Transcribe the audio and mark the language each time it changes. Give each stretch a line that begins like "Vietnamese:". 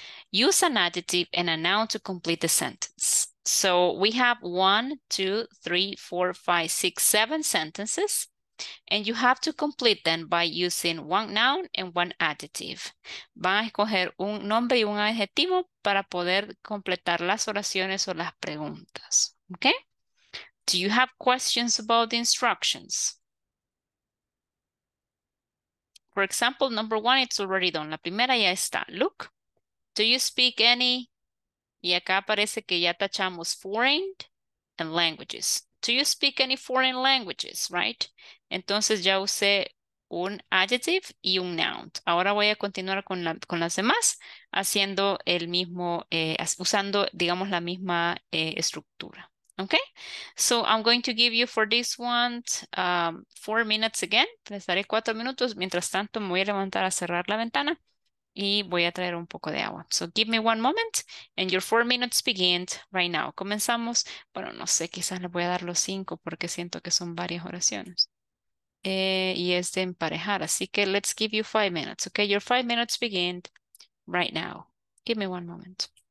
English: Use an adjective and a noun to complete the sentence. So we have 1, 2, 3, 4, 5, 6, 7 sentences, and you have to complete them by using one noun and one adjective.
Spanish: Van a escoger un nombre y un adjetivo para poder completar las oraciones o las preguntas, okay?
English: Do you have questions about the instructions? For example, number one, it's already done.
Spanish: La primera ya está.
English: Look, do you speak any?
Spanish: Y acá parece que ya tachamos foreign and languages.
English: Do you speak any foreign languages, right?
Spanish: Entonces ya usé un adjective y un noun. Ahora voy a continuar con las demás haciendo el mismo, usando, digamos, la misma estructura.
English: Okay, so I'm going to give you for this one 4 minutes again.
Spanish: Les daré 4 minutos. Mientras tanto, me voy a levantar a cerrar la ventana y voy a traer un poco de agua.
English: So give me one moment and your 4 minutes begin right now.
Spanish: Comenzamos. Bueno, no sé, quizás le voy a dar los 5 porque siento que son varias oraciones. Y es de emparejar. Así que
English: let's give you 5 minutes. Okay, your 5 minutes begin right now. Give me one moment.